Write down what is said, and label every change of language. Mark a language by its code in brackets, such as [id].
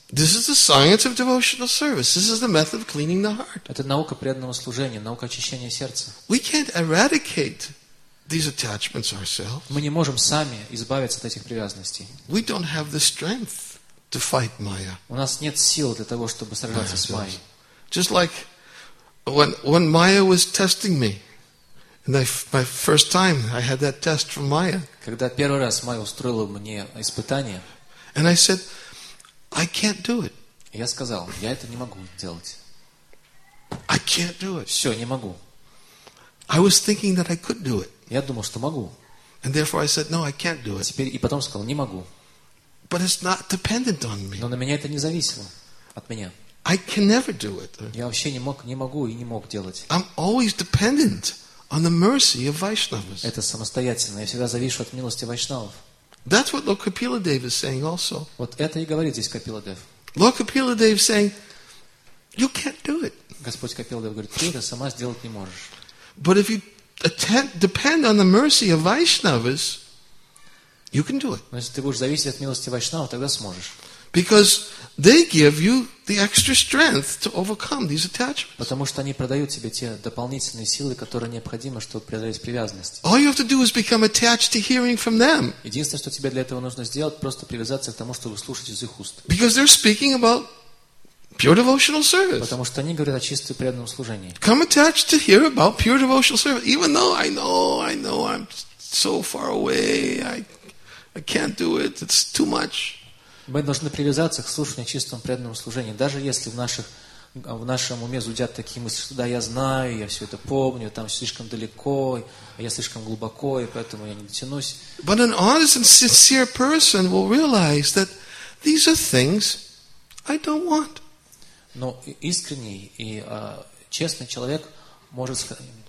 [en] This is the science of devotional service. This is the method of cleaning the heart. [ru] Это наука преданного служения, наука очищения сердца. [en] We can't eradicate these attachments ourselves. [ru] Мы не можем сами избавиться от этих привязанностей. [en] We don't have the strength to fight Maya. [ru] У нас нет сил для того, чтобы сражаться с Майей. [en] Just like when Maya was testing me. And my first time, I had that test from Maya. [ru] Когда первый раз Майя устроила мне испытание. [en] And I said, I can't do it. [ru] Я сказал, я это не могу делать. [en] I can't do it. [ru] Все, не могу. [en] I was thinking that I could do it. [ru] Я думал, что могу. [en] And therefore I said, no, I can't do it. [ru] Теперь и потом сказал, не могу. [en] But it's not dependent on me. [ru] Но на меня это не зависело от меня. [en] I can never do it. [ru] Я вообще не мог, не могу и не мог делать. [en] I'm always dependent on the mercy of Vaishnavas. [ru] Это самостоятельно. Я всегда завишу от милости Вайшнавов. [en] That's what Lord Kapila Dev is saying also. [ru] Вот это и говорит здесь Капила Дев. [en] Lord Kapila Dev saying, you can't do it. [ru] Господь Капила Дев говорит, ты это сама сделать не можешь. [en] But if you depend on the mercy of Vaishnavas, you can do it. [ru] Но если ты будешь зависеть от милости Вайшнавов, тогда сможешь. [en] Because they give you the extra strength to overcome these attachments. [ru] Потому что они продают тебе те дополнительные силы, которые необходимы, чтобы преодолеть привязанность. [en] All you have to do is become attached to hearing from them. [ru] Единственное, что тебе для этого нужно сделать, просто привязаться к тому, чтобы слушать из их уст. [en] Because they're speaking about pure devotional service. [ru] Потому что они говорят о чистом преданном служении. [en] Come attached to hear about pure devotional service, even though I know I'm so far away, I can't do it, it's too much. [ru] Мы должны привязаться к слушанию чистому преданному служению. Даже если в нашем уме зудят такие мысли, что да, я знаю, я все это помню, там слишком далеко, я слишком глубоко, и поэтому я не дотянусь. [en] But an honest and sincere person will realize that these are things I don't want. [ru] Но искренний и честный человек может сказать,